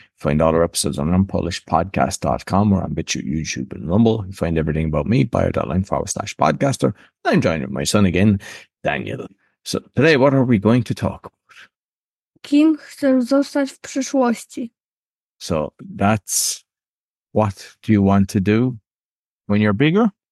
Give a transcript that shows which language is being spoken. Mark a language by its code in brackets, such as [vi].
[en] Find all our episodes on learnpolishpodcast.com or on BitChute, YouTube, and Rumble. You find everything about me, bio.line/podcaster. I'm joined with my son again, Daniel. So today, what are we going to talk about? [pl] Kim chcę zostać w przyszłości. [en] So that's what do you want to do when you're bigger?